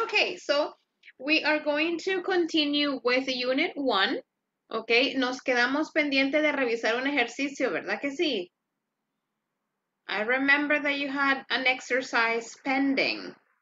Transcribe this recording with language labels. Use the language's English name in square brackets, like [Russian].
[English] Okay, so we are going to continue with unit one. [Spanish] Okay, nos quedamos pendiente de revisar un ejercicio, ¿verdad que sí? [English] I remember that you had an exercise pending.